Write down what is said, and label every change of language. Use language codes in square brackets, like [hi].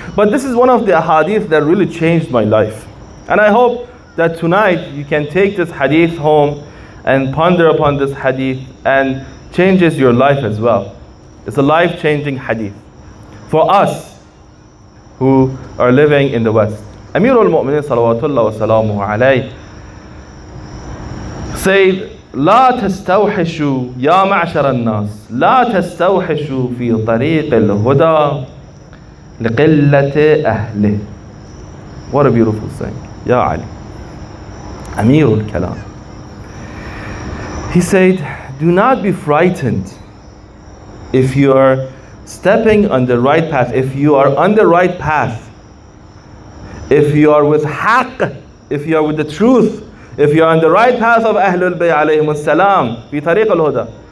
[en] But this is one of the hadith that really changed my life. And I hope that tonight you can take this hadith home and ponder upon this hadith and changes your life as well. It's a life-changing hadith for us who are living in the West. [ar] Amir al-Mu'mineen salawatullah wa salamuhu alayhi said, لا تستوحشوا يا معشر الناس لا تستوحشوا في طريق الهدى لقلة أهله. [en] What a beautiful saying. [ar] يا علي أمير الكلام. [en] He said, do not be frightened if you are stepping on the right path, if you are on the right path, if you are with haqq, if you are with the truth, if you are on the right path of Ahlul Bayt alayhim as-salam, [ar] fi tariq al-huda.